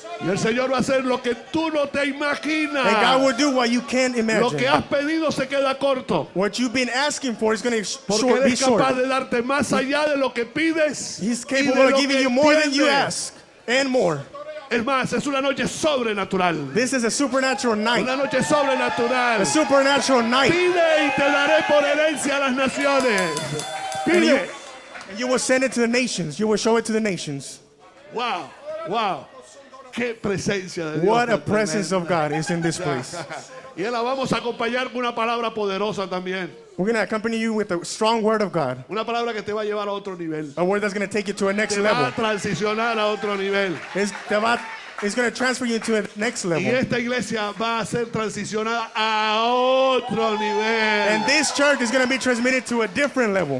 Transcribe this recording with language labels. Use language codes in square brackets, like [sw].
[es] Y el Señor va a hacer lo que tú no te imaginas. [en] And God will do what you can't imagine. [es] Lo que has pedido se queda corto. [en] What you've been asking for is going to be short. [es] Porque él es capaz de darte más allá de lo que pides. [en] He's capable of giving you more than you ask and more. [es] Es más, es una noche sobrenatural. [en] This is a supernatural night. [es] Una noche sobrenatural. [en] A supernatural night. [es] Pide y te daré por herencia a las naciones. Pide. [en] And you will send it to the nations. You will show it to the nations. [es] Wow. Qué presencia de Dios. [en] What a presence of God is in this place. [es] Y la vamos a acompañar con una palabra poderosa también. [en] We're going to accompany you with a strong word of God. [es] Una palabra que te va a llevar a otro nivel. [en] A word that's going to take you to a next level. [es] Te va a transicionar a otro nivel. [en] It's going to transfer you to a next level. [es] Y esta iglesia va a ser transicionada a otro nivel. [en] And this church is going to be transmitted to a different level.